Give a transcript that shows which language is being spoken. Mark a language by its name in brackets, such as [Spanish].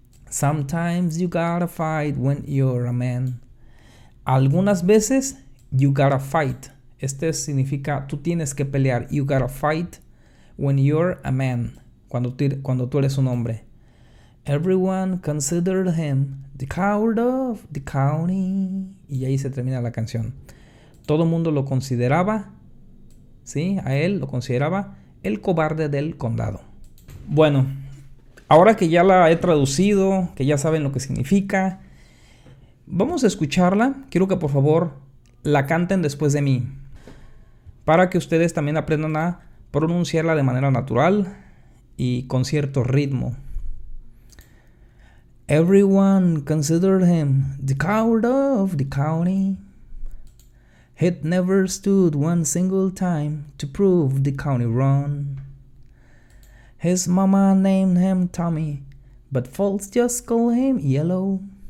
[English] Sometimes you gotta fight when you're a man. [Spanish] Algunas veces, [English] you gotta fight. [Spanish] Este significa, tú tienes que pelear. [English] You gotta fight when you're a man. [Spanish] Cuando tú eres un hombre. [English] Everyone considered him the coward of the county. [Spanish] Y ahí se termina la canción. Todo el mundo lo consideraba, ¿sí? A él lo consideraba el cobarde del condado. Bueno, ahora que ya la he traducido, que ya saben lo que significa, vamos a escucharla. Quiero que por favor la canten después de mí, para que ustedes también aprendan a pronunciarla de manera natural y con cierto ritmo. [English] Everyone considered him the coward of the county. He'd never stood one single time to prove the county wrong. His mama named him Tommy, but folks just call him Yellow.